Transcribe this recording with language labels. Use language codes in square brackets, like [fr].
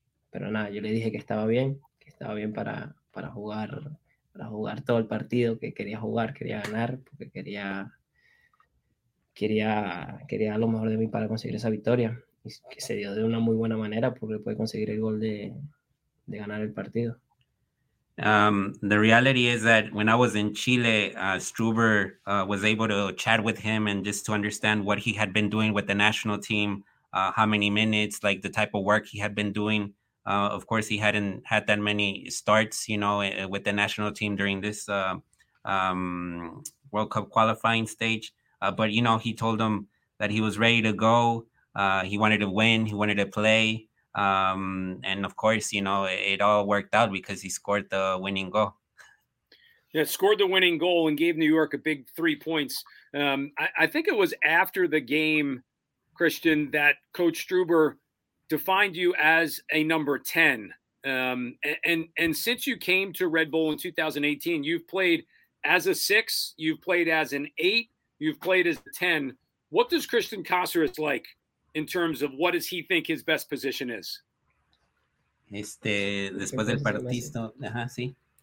[es] Pero nada, yo le dije que estaba bien para jugar todo el partido, que quería jugar, quería ganar, porque quería lo mejor de mí para conseguir esa victoria. Y que se dio de una muy buena manera porque pude conseguir el gol de ganar el partido. [en] The reality is that when I was in Chile, Struber was able to chat with him and just to understand what he had been doing with the national team, how many minutes, like the type of work he had been doing. Of course, he hadn't had that many starts, you know, with the national team during this World Cup qualifying stage. But, you know, he told him that he was ready to go. He wanted to win. He wanted to play. And of course, you know, it all worked out because he scored the winning goal. Yeah, scored the winning goal and gave New York a big 3 points. I think it was after the game, Cristian, that Coach Struber defined you as a number 10. And since you came to Red Bull in 2018, you've played as a 6, you've played as an 8, you've played as a 10. What does Cristian Cásseres like in terms of what does he think his best position is? [es] Después del partido, ajá, sí.